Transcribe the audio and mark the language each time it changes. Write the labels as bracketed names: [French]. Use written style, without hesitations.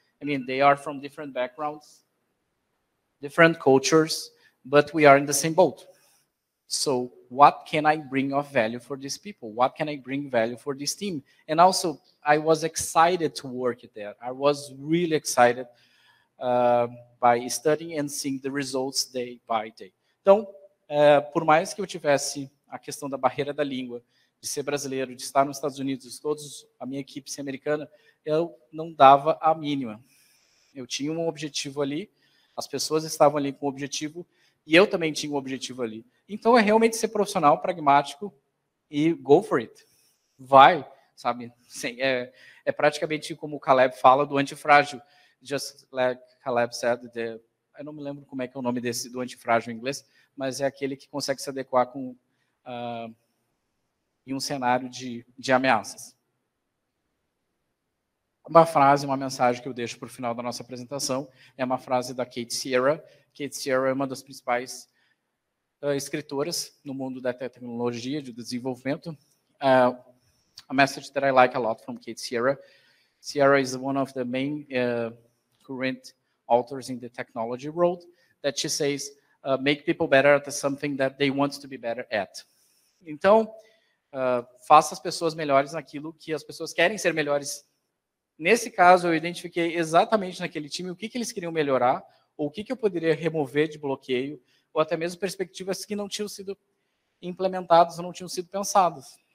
[English] I mean, they are from different backgrounds, different cultures, but we are in the same boat. So what can I bring of value for these people? What can I bring value for this team? And also, I was excited to work there. I was really excited by studying and seeing the results day by day. [Portuguese] Então, por mais que eu tivesse a questão da barreira da língua, de ser brasileiro, de estar nos Estados Unidos, todos, a minha equipe ser americana, eu não dava a mínima. Eu tinha um objetivo ali, as pessoas estavam ali com um objetivo, e eu também tinha um objetivo ali. Então, é realmente ser profissional, pragmático e [English] go for it. [Portuguese] Vai, sabe? Sim, é praticamente como o Caleb fala do antifrágil. [English] Just like Caleb said, [Portuguese] eu não me lembro como é que é o nome desse do antifrágil em inglês, mas é aquele que consegue se adequar com em um cenário de ameaças. Uma frase, uma mensagem que eu deixo para o final da nossa apresentação é uma frase da Kate Sierra. Kate Sierra é uma das principais escritoras no mundo da tecnologia, de desenvolvimento. [English] A message that I like a lot from Kate Sierra. Sierra is one of the main current authors in the technology world that she says, make people better at something that they want to be better at. [Portuguese] Então, faça as pessoas melhores naquilo que as pessoas querem ser melhores. Nesse caso, eu identifiquei exatamente naquele time o que eles queriam melhorar, ou o que eu poderia remover de bloqueio, ou até mesmo perspectivas que não tinham sido implementadas ou não tinham sido pensadas.